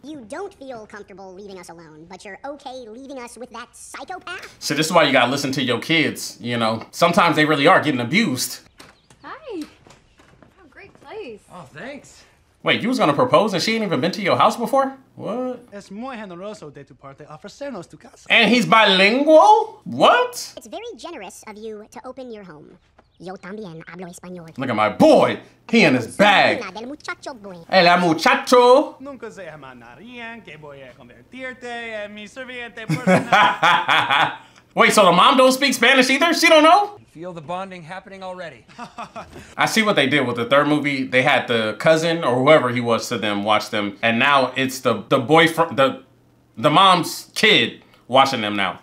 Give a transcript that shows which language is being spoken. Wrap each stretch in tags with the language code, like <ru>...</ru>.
<en>You don't feel comfortable leaving us alone, but you're okay leaving us with that psychopath? So this is why you gotta listen to your kids, you know? Sometimes they really are getting abused. Hi. What a great place. Oh, thanks. Wait, you was gonna propose and she ain't even been to your house before? What?</en> <es>Es muy generoso de tu parte ofrecernos tu casa.</es> <en>And he's bilingual? What? It's very generous of you to open your home.</en> <es>Yo también hablo español.</es> <en>Look at my boy. He in his bag.</en> <es>El muchacho boy. El muchacho. Nunca se imaginarían que voy a convertirte en mi serviente personal.</es> <en>Wait, so the mom don't speak Spanish either? She don't know? Feel the bonding happening already. I see what they did with the third movie. They had the cousin or whoever he was to them watch them. And now it's the boyfriend, the mom's kid watching them now.</en>